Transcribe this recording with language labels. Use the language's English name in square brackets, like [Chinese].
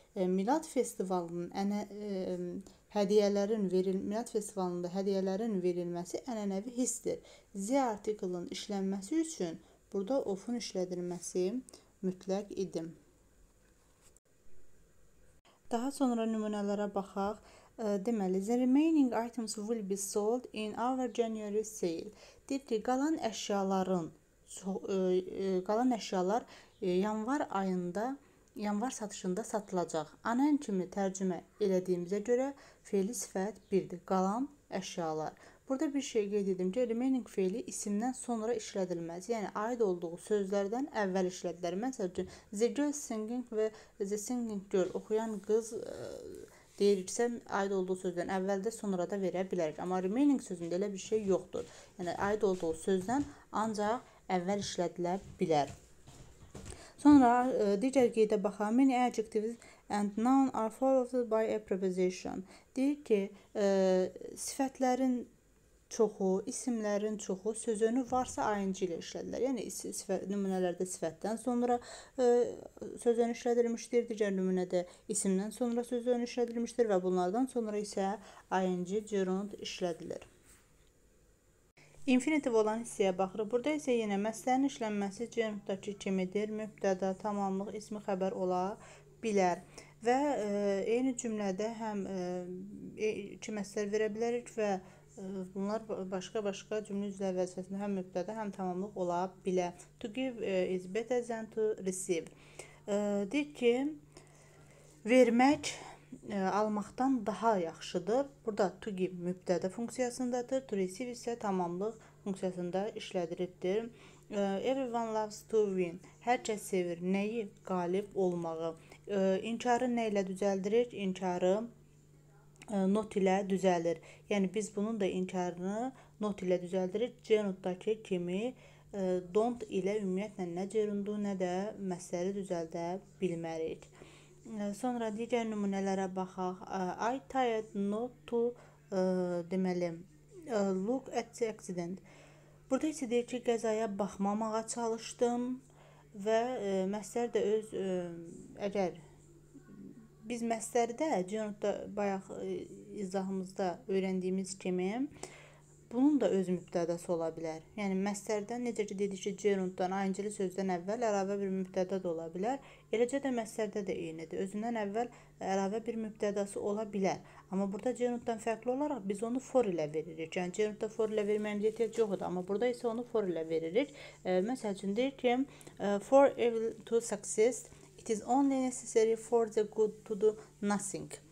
[Azerbaijani] Milad festivalının Milad festivalında hədiyələrin verilməsi ənənəvi hissdir. Z artiklin işlənməsi üçün burada ofun işlədilməsi mütləq idi. Daha sonra nümunələrə baxaq. [English] Deməli, the remaining items will be sold in our January sale. [Azerbaijani] Deyir ki, qalan əşyalar yanvar satışında satılacaq. Anan kimi tərcümə elədiyimizə görə feili sifət birdir. Qalan əşyalar. Burada bir şey qeyd edim ki, remaining feili isimdən sonra işlədilməz. Yəni, aid olduğu sözlərdən əvvəl işlədilər. Məsəl üçün, [English] the girl singing [Azerbaijani] və [English] the singing girl [Azerbaijani] oxuyan qız deyiriksə, aid olduğu sözdən əvvəl də sonra da verə bilərik. Amma remaining sözündə elə bir şey yoxdur. Yəni, aid olduğu sözdən ancaq əvvəl işlədilə bilər. Sonra digər qeydə baxaq. [English] Many adjectives and noun are followed by a preposition. [Azerbaijani] Deyir ki, sifətlərin çoxu, isimlərin çoxu sözünü varsa ayıncı ilə işlədilər. Yəni, nümunələrdə sifətdən sonra sözünü işlədilmişdir, digər nümunədə isimdən sonra sözünü işlədilmişdir və bunlardan sonra isə ayıncı gerund işlədilir. Infinitiv olan hissəyə baxırıq. Burada isə yenə məsələnin işlənməsi gerunddakı kimidir, mübtədə, tamamlıq, ismi xəbər ola bilər. Və eyni cümlədə həm iki məsələ verə bilərik və bunlar başqa-başqa cümlə üzvlə vəzifəsində həm mübtədə, həm tamamlıq ola bilə. [English] To give is better than to receive. [Azerbaijani] Deyir ki, vermək almaqdan daha yaxşıdır. Burada to give mübtədə funksiyasındadır. To receive isə tamamlıq funksiyasında işlədilibdir. [English] Everyone loves to win. [Azerbaijani] Hər kəs sevir nəyi? Qalib olmağı. İnkarı nə ilə düzəldirik? İnkarı not ilə düzəlir. Yəni, biz bunun da inkarını not ilə düzəldirik. Gerunddakı kimi don't ilə ümumiyyətlə nə gerundu, nə də məsələri düzəldə bilmərik. Sonra digər nümunələrə baxaq. [English] I tired not to look at the accident. [Azerbaijani] Burada isə deyir ki, qəzaya baxmamağa çalışdım və məsələri də öz əgər biz məsələri də gerundda bayaq izahımızda öyrəndiyimiz kimi bunun da öz mübtədəsi ola bilər. Yəni məsələrdən necə ki dedik ki gerunddan ayıncılı sözdən əvvəl əlavə bir mübtədə də ola bilər. Eləcə də məsələrdə də eynidir. Özündən əvvəl əlavə bir mübtədəsi ola bilər. Amma burada gerunddan fərqli olaraq biz onu for ilə veririk. Yəni gerundda for ilə verməyimiz ehtiyac yoxdur. Amma burada isə onu for ilə veririk. Məsəl üçün deyir ki [English] for able to succeed. It is only necessary for the good to do nothing.